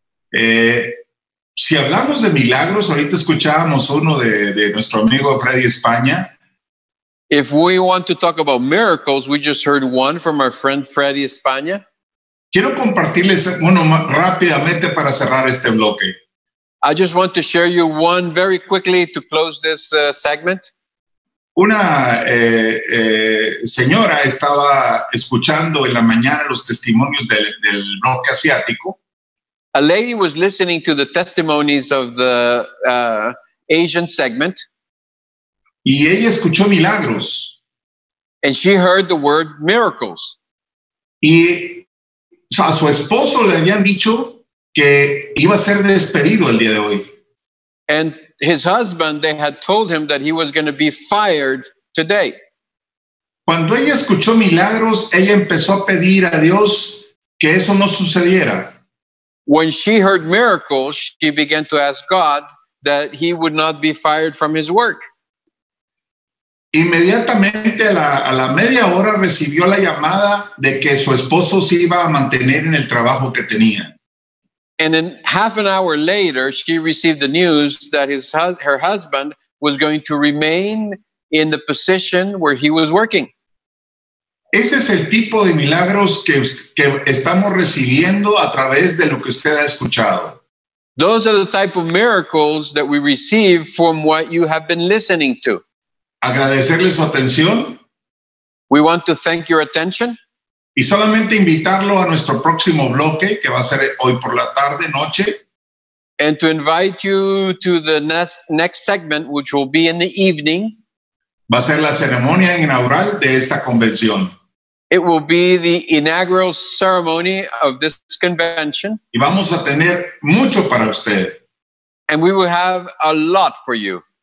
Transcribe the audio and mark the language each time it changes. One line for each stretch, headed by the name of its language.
Spanish: Si hablamos de milagros, ahorita escuchábamos uno de nuestro amigo Freddy España.
English: If we want to talk about miracles, we just heard one from our friend Freddy España.
Spanish: Quiero compartirles uno rápidamente para cerrar este bloque.
English: I just want to share you one very quickly to close this segment.
Spanish: Una señora estaba escuchando en la mañana los testimonios del bloque asiático.
English: A lady was listening to the testimonies of the Asian segment.
Spanish: Y ella escuchó milagros.
English: And she heard the word miracles.
Spanish: Y a su esposo le habían dicho que iba a ser despedido el día de hoy.
English: And his husband, they had told him that he was going to be fired today.
Spanish: Cuando ella escuchó milagros, ella empezó a pedir a Dios que eso no sucediera.
English: When she heard miracles, she began to ask God that he would not be fired from his work.
Spanish: Inmediatamente a la media hora recibió la llamada de que su esposo se iba a mantener en el trabajo que tenía.
English: And then half an hour later, she received the news that her husband was going to remain in the position where he was working.
Spanish: Ese es el tipo de milagros que estamos recibiendo a través de lo que usted ha escuchado.
English: Those are the type of miracles that we receive from what you have been listening to.
Spanish: Agradecerle su atención.
English: We want to thank your attention.
Spanish: Y solamente invitarlo a nuestro próximo bloque, que va a ser hoy por la tarde, noche.
English: And to invite you to the next segment, which will be in the evening.
Spanish: Va a ser la ceremonia inaugural de esta convención.
English: It will be the inaugural ceremony of this convention.
Spanish: Y vamos a tener mucho para usted.
English: And we will have a lot for you.